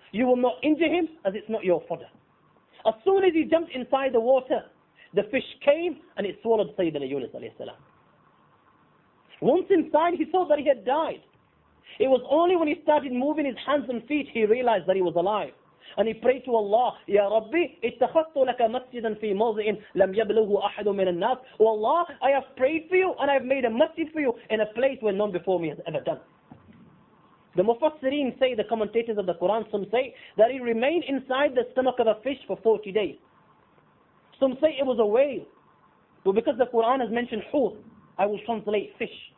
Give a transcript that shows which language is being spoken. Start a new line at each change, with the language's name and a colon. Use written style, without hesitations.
English: You will not injure him, as it's not your fodder. As soon as he jumped inside the water, the fish came and it swallowed Sayyidina Yunus alayhi salam. Once inside, he thought that he had died. It was only when he started moving his hands and feet, he realized that he was alive. And he prayed to Allah,
Arabic: Ya Rabbi, اتخذت لك مسجدا في موضع لم يبلغه أحد من الناس.
English: Oh Allah, I have prayed for you and I have made a masjid for you in a place where none before me has ever done. The Mufassirin say, the commentators of the Quran, some say that he remained inside the stomach of a fish for 40 days. Some say it was a whale. But because the Quran has mentioned hur, I will translate fish.